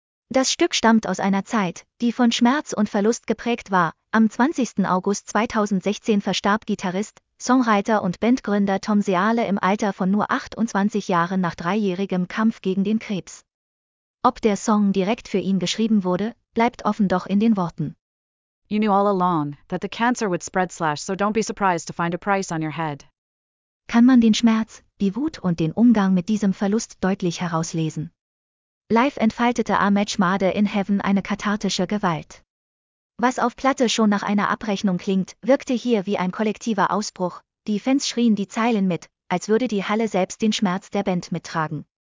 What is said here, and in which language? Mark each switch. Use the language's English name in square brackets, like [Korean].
[German] Das Stück stammt aus einer Zeit, die von Schmerz und Verlust geprägt war. Am 20. August 2016 verstarb Gitarrist, Songwriter und Bandgründer Tom Seale im Alter von nur 28 Jahren nach dreijährigem Kampf gegen den Krebs. Ob der Song direkt für ihn geschrieben wurde, bleibt offen, doch in den Worten. [English] You knew all along that the cancer would spread slash, so don't be surprised to find a price on your head. [German] Kann man den Schmerz, die Wut und den Umgang mit diesem Verlust deutlich herauslesen. Live entfaltete Ahmed Schmade in Heaven eine kathartische Gewalt. Was auf Platte schon nach einer Abrechnung klingt, wirkte hier wie ein kollektiver Ausbruch, die Fans schrien die Zeilen mit, als würde die Halle selbst den Schmerz der Band mittragen.